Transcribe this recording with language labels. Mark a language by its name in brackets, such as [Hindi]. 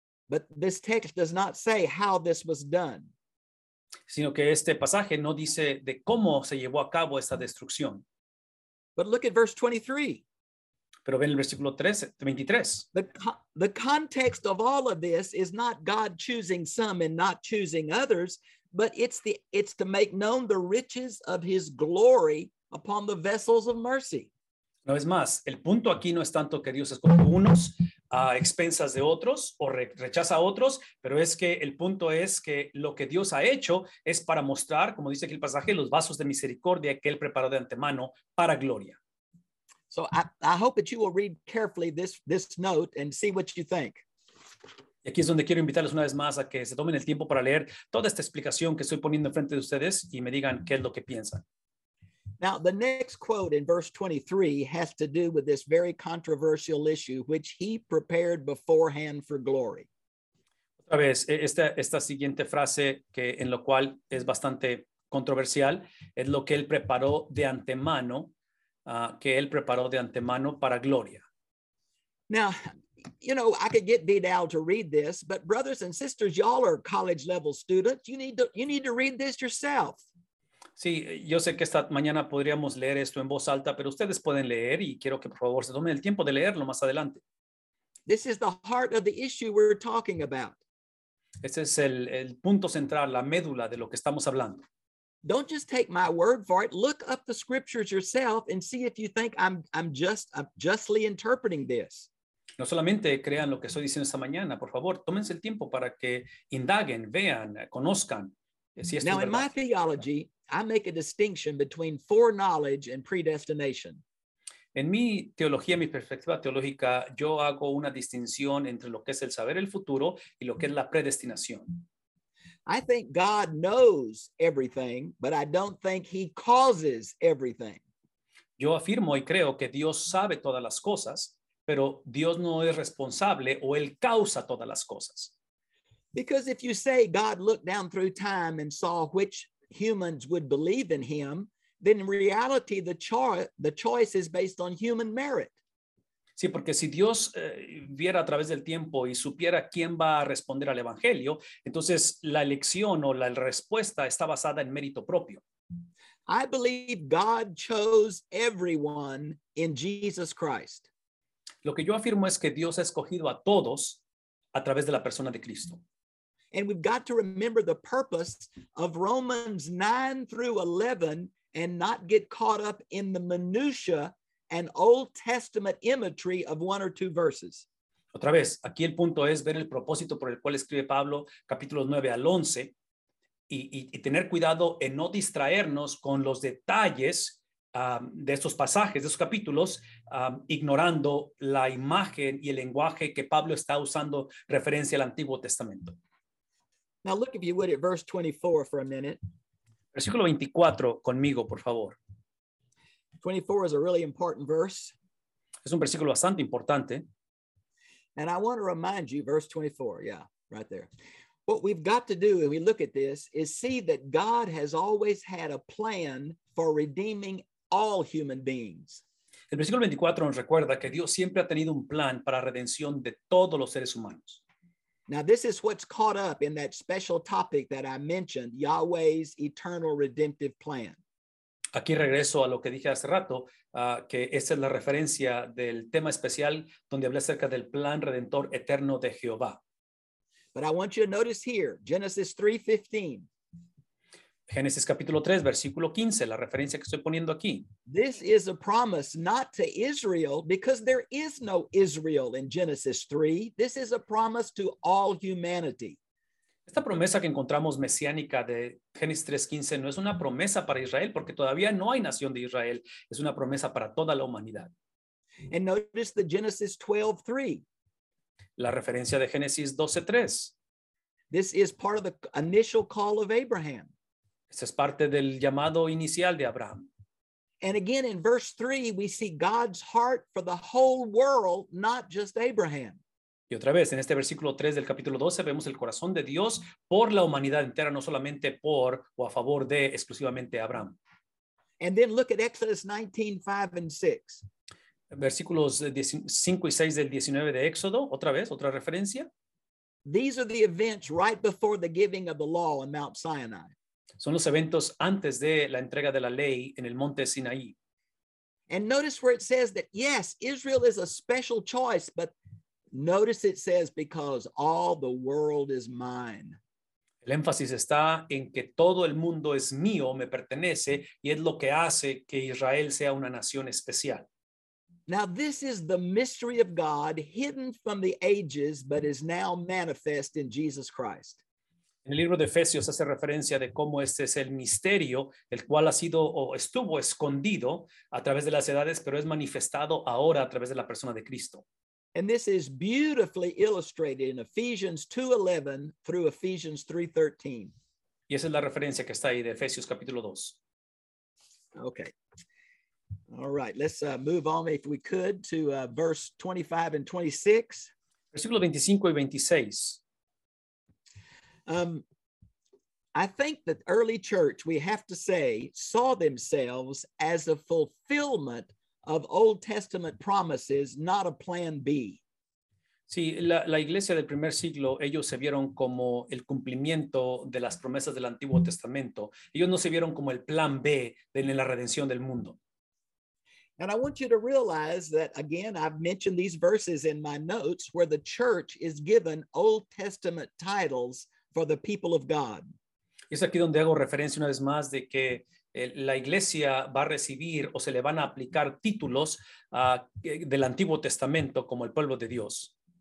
[English] But this text does not say how this was done. [Spanish] Sino que este pasaje no dice de cómo se llevó a cabo esta destrucción. [English] But look at verse 23. [Spanish] Pero ven el versículo 23. [English] The context of all of this is not God choosing some and not choosing others. But it's to make known the riches of his glory upon the vessels of mercy. [Spanish] No es más, el punto aquí no es tanto que Dios escoge unos a expensas de otros o rechaza a otros, pero es que el punto es que lo que Dios ha hecho es para mostrar, como dice aquí el pasaje, los vasos de misericordia que él preparó de antemano para gloria. [English] So I hope that you will read carefully this note and see what you think. [Spanish] Y aquí es donde quiero invitarles una vez más a que se tomen el tiempo para leer toda esta explicación que estoy poniendo enfrente de ustedes y me digan qué es lo que piensan. [English] Now, the next quote in verse 23 has to do with this very controversial issue, which he prepared beforehand for glory. [Spanish] Otra vez, esta siguiente frase, que en lo cual es bastante controversial, es lo que él preparó de antemano, para gloria. [English] Now, you know, I could get Vidal to read this, but brothers and sisters, y'all are college level students. You need to read this yourself. [Spanish] Sí, yo sé que esta mañana podríamos leer esto en voz alta, pero ustedes pueden leer y quiero que por favor se tomen el tiempo de leerlo más adelante. [English] This is the heart of the issue we're talking about. [Spanish] Este es el punto central, la médula de lo que estamos hablando. [English] Don't just take my word for it. Look up the scriptures yourself and see if you think I'm justly interpreting this. [Spanish] No solamente crean lo que estoy diciendo esta mañana, por favor, tómense el tiempo para que indaguen, vean, conozcan. Si [English] now, in my theology, I make a distinction between foreknowledge and predestination. [Spanish] En mi teología, mi perspectiva teológica, yo hago una distinción entre lo que es el saber el futuro y lo que es la predestinación. [English] I think God knows everything, but I don't think he causes everything. [Spanish] Yo afirmo y creo que Dios sabe todas las cosas, pero Dios no es responsable o él causa todas las cosas. [English] Because if you say God looked down through time and saw which humans would believe in him, then in reality the choice is based on human merit. [Spanish] Sí, porque si Dios viera a través del tiempo y supiera quién va a responder al evangelio, entonces la elección o la respuesta está basada en mérito propio. [English] I believe God chose everyone in Jesus Christ. [Spanish] Lo que yo afirmo es que Dios ha escogido a todos a través de la persona de Cristo. [English] And we've got to remember the purpose of Romans 9 through 11 and not get caught up in the minutiae and Old Testament imagery of one or two verses. [Spanish] Otra vez, aquí el punto es ver el propósito por el cual escribe Pablo, capítulos 9 al 11, y tener cuidado en no distraernos con los detalles de estos pasajes, de esos capítulos, ignorando la imagen y el lenguaje que Pablo está usando referencia al Antiguo Testamento. [English] Now look, if you would, at verse 24 for a minute. [Spanish] Versículo 24 conmigo, por favor. [English] 24 is a really important verse. [Spanish] Es un versículo bastante importante. [English] And I want to remind you, verse 24, yeah, right there. What we've got to do when we look at this is see that God has always had a plan for redeeming all human beings. [Spanish] El versículo 24 nos recuerda que Dios siempre ha tenido un plan para redención de todos los seres humanos. [English] Now, this is what's caught up in that special topic that I mentioned, Yahweh's eternal redemptive plan. [Spanish] Aquí regreso a lo que dije hace rato, que esta es la referencia del tema especial donde hablé acerca del plan redentor eterno de Jehová. [English] But I want you to notice here, Genesis 3:15. [Spanish] Génesis capítulo 3, versículo 15, la referencia que estoy poniendo aquí. [English] This is a promise not to Israel, because there is no Israel in Genesis 3. This is a promise to all humanity. [Spanish] Esta promesa que encontramos mesiánica de Génesis 3:15 no es una promesa para Israel, porque todavía no hay nación de Israel. Es una promesa para toda la humanidad. [English] And notice the Genesis 12:3. [Spanish] La referencia de Génesis 12:3. [English] This is part of the initial call of Abraham. [Spanish] Esa es parte del llamado inicial de Abraham. [English] And again, in verse 3, we see God's heart for the whole world, not just Abraham. [Spanish] Y otra vez, en este versículo 3 del capítulo 12, vemos el corazón de Dios por la humanidad entera, no solamente por o a favor de exclusivamente Abraham. [English] And then look at Exodus 19, 5 and 6. [Spanish] Versículos 5 y 6 del 19 de Éxodo, otra vez, otra referencia. [English] These are the events right before the giving of the law on Mount Sinai. [Spanish] Son los eventos antes de la entrega de la ley en el monte Sinaí. [English] And notice where it says that, yes, Israel is a special choice, but notice it says, because all the world is mine. [Spanish] El énfasis está en que todo el mundo es mío, me pertenece, y es lo que hace que Israel sea una nación especial. [English] Now, this is the mystery of God, hidden from the ages, but is now manifest in Jesus Christ. [Spanish] En el libro de Efesios hace referencia de cómo este es el misterio, el cual ha sido o estuvo escondido a través de las edades, pero es manifestado ahora a través de la persona de Cristo. [English] And this is beautifully illustrated in Ephesians 2:11 through Ephesians 3:13. [Spanish] Y esa es la referencia que está ahí de Efesios capítulo 2. [English] Okay. All right, let's move on, if we could, to verse 25 and 26. [Spanish] Versículo 25 y 26. [English] I think that early church, we have to say, saw themselves as a fulfillment of Old Testament promises, not a plan B. [Spanish] Sí, la iglesia del primer siglo, ellos se vieron como el cumplimiento de las promesas del Antiguo Testamento. Ellos no se vieron como el plan B en la redención del mundo. [English] And I want you to realize that, again, I've mentioned these verses in my notes where the church is given Old Testament titles for the people of God. [Spanish] Es aquí donde hago referencia una vez más de que la iglesia va a recibir o se le van a aplicar títulos del Antiguo Testamento como el pueblo de Dios.